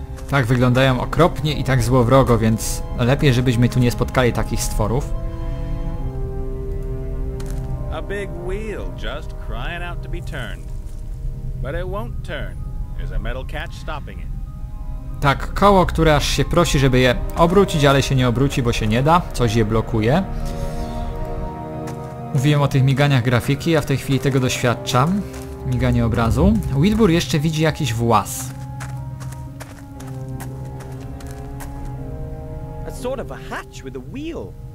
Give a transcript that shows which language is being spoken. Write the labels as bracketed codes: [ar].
[pl] Tak wyglądają okropnie i tak złowrogo, więc lepiej, żebyśmy tu nie spotkali takich stworów. [en] A big wheel just crying out to be turned. But it won't turn. There's a metal catch stopping it. [pl] Tak, koło, które aż się prosi, żeby je obrócić, ale się nie obróci, bo się nie da. Coś je blokuje. Mówiłem o tych miganiach grafiki, ja w tej chwili tego doświadczam. Miganie obrazu. Wilbur jeszcze widzi jakiś włas. [en] A sort of a hatch with a wheel.